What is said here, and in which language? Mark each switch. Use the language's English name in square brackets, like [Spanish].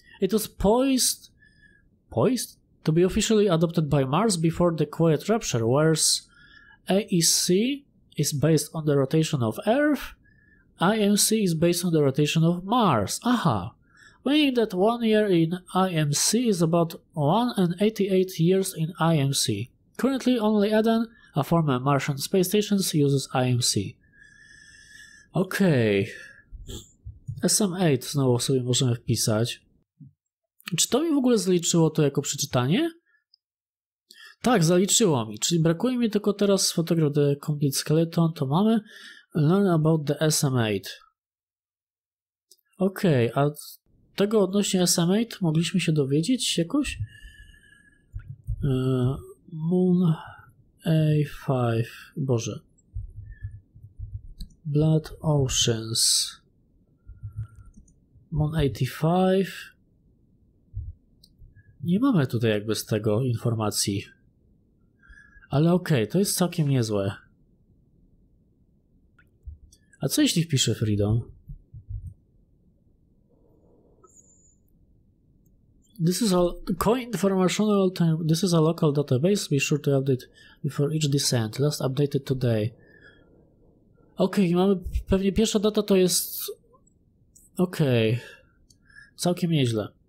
[English] It was poised to be officially adopted by Mars before the Quiet Rupture, whereas AEC is based on the rotation of Earth, IMC is based on the rotation of Mars. Aha! Meaning that 1 year in IMC is about 188 years in IMC. Currently only Eden, a former Martian space station, uses IMC. Okej. Okay. [Polish] SM8 znowu sobie możemy wpisać. Czy to mi w ogóle zliczyło to jako przeczytanie? Tak, zaliczyło mi. Czyli brakuje mi tylko teraz Photograph the Complete Skeleton, to mamy. [English] Learn about the SM8. [Polish] Okej, okay, a tego odnośnie SM8 mogliśmy się dowiedzieć jakoś? Moon A5, Boże. [English] Blood Oceans. Moon 85. [Polish] Nie mamy tutaj jakby z tego informacji. Ale okej, okay, to jest całkiem niezłe. A co jeśli wpiszę Freedom? [English] This is a coin information. This is a local database. Be sure to update before each descent. Last updated today. [Polish] Okej, mamy pewnie pierwsza data to jest. Okej. Całkiem nieźle.